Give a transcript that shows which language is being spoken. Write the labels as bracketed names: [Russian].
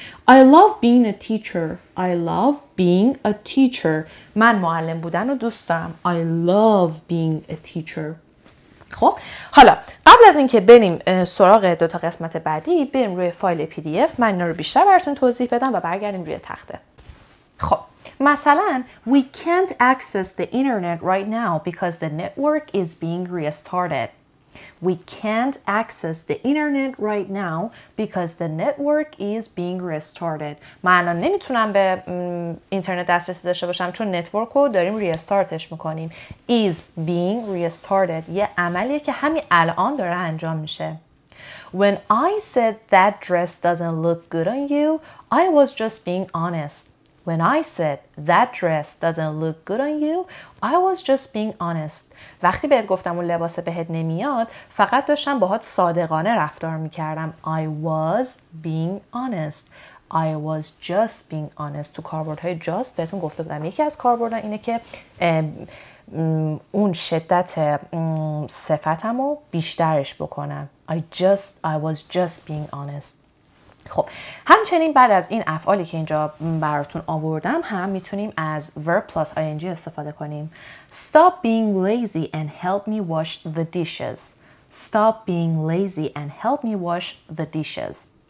[English] I love being a teacher. I love being a teacher. [Persian] من معلم بودن رو دوست دارم. [English] I love being a teacher. [Persian] خب حالا قبل از اینکه بریم سراغ دو تا قسمت بعدی، بریم روی فایل PDF، من اینا رو بیشتر براتون توضیح بدم و برگردیم روی تخته. خب مثلا [English] we can't access the internet right now because the network is being restarted. We can't access the internet right now because the network is being restarted. [Persian] من الان نمیتونم به اینترنت دسترسی داشته باشم چون نتورک رو داریم ریستارتش میکنیم. [English] Is being restarted [Persian] یه عملیه که همین الان داره انجام میشه. [English] When I said that dress doesn't look good on you, I was just being honest. When I said that dress doesn't look good on you, I was just being honest. [Persian] وقتی بهت گفتم اون لباس بهت نمیاد، فقط داشتم باهات صادقانه رفتار میکردم. [English] I was being honest. I was just being honest. [Persian] تو کاربردهای just بهتون گفته بودم یکی از کاربردها اینه که اون شدت صفتمو بیشترش بکنم. [English] I was just being honest. [Persian] خب همچنین بعد از این افعالی که اینجا براتون آوردم، هم میتونیم از verb plus ing استفاده کنیم. [English] Stop being lazy and help me wash the dishes. Stop being lazy and help me wash the dishes.